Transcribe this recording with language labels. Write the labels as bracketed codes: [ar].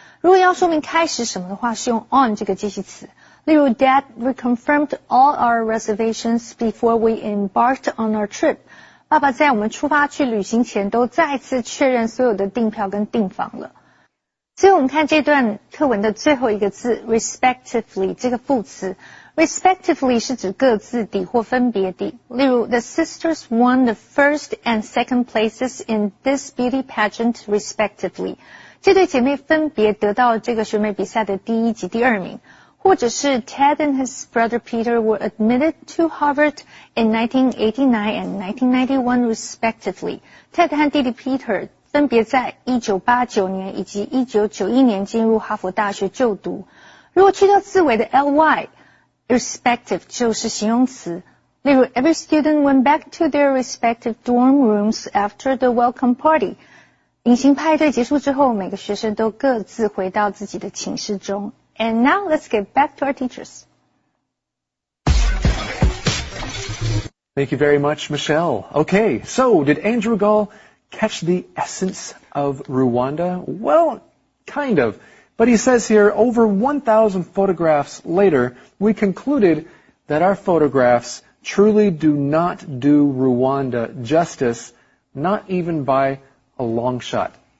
[zh] 如果要说明开始什么的话是用 on 这个介系词。 [en] 例如 Dad reconfirmed all our reservations before we embarked on our trip. [zh] 爸爸在我们出发去旅行前都再次确认所有的订票跟订房了。最后我们看这段课文的最后一个字 respectively, 这个副词。 [en] Respectively [zh] 是指各自地或分别地。 [en] 例如 The sisters won the first and second places in this beauty pageant respectively. [zh] 这对姐妹分别得到这个选美比赛的第一及第二名。 [en] 或者是 Ted and his brother Peter were admitted to Harvard in 1989 and 1991 respectively. [zh] Ted 和弟弟 Peter 分别在1989年以及1991年进入哈佛大学就读。如果去掉字尾的 ly, respective 就是形容词。 [en] 例如 every student went back to their respective dorm rooms after the welcome party. [zh] 迎新派对结束之后每个学生都各自回到自己的寝室中。 [en] And now let's get back to our teachers. Thank you very much, Michelle. Okay, so did Andrew Gall catch the essence of Rwanda? Well, kind of. But he says here, over 1,000 photographs later, we concluded that our photographs truly do not do Rwanda justice, not even by a long shot.